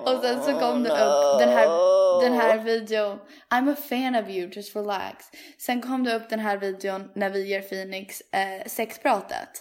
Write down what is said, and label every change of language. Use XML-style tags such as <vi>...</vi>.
<sv>Och sen så kom det upp den här videon.</sv> <en>I'm a fan of you, just relax.</en> <sv>Sen kom det upp den här videon när vi ger Phoenix sexpratet.</sv>